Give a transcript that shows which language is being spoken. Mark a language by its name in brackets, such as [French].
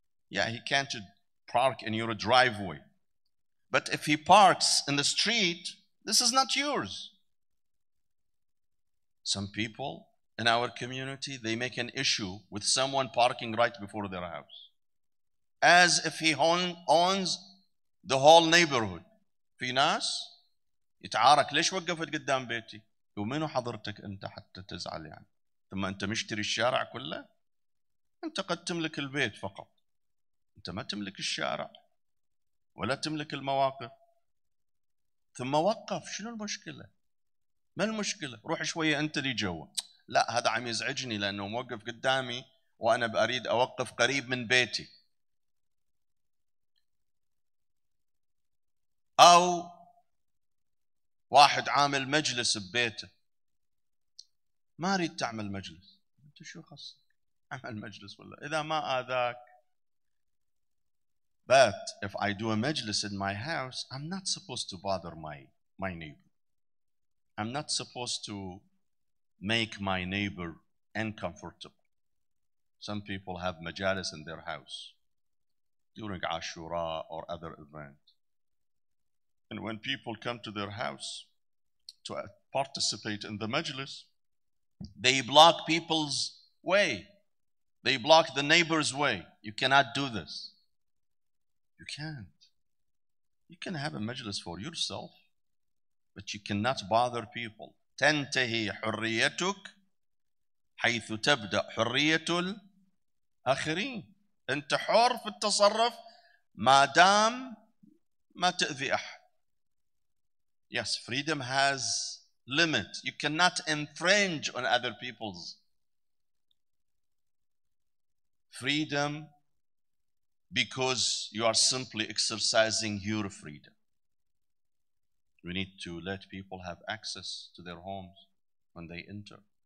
[English] Yeah, he can't park in your driveway. But if he parks in the street, this is not yours. Some people in our community, they make an issue with someone parking right before their house. As if he owns the whole neighborhood. [Arabic] في ناس يتعارك ليش وقفت قدام بيتي؟ ومنو حضرتك أنت حتى تزعل يعني؟ ثم أنت مشتري الشارع كله؟ أنت قد تملك البيت فقط. أنت ما تملك الشارع. ولا تملك المواقف. ثم وقف. شنو المشكلة؟ ما المشكلة؟ روح شوية أنت لي جوا. لا هذا عم يزعجني لأنه موقف قدامي وأنا بأريد أوقف قريب من بيتي. أو واحد عامل مجلس ببيته. ما أريد تعمل مجلس. أنت شو خصك؟ عمل مجلس ولا إذا ما آذاك. [English] But if I do a majlis in my house, I'm not supposed to bother my neighbor. I'm not supposed to make my neighbor uncomfortable. Some people have majalis in their house during Ashura or other event. And when people come to their house to participate in the majlis, they block people's way. They block the neighbor's way. You cannot do this. You can't. You can have a majlis for yourself, but you cannot bother people. [Arabic] تنتهي حريتك حيث تبدأ حرية الآخرين. أنت حر في التصرف ما دام ما تأذي أحد. [English] Yes, freedom has limit. You cannot infringe on other people's freedom because you are simply exercising your freedom. We need to let people have access to their homes when they enter.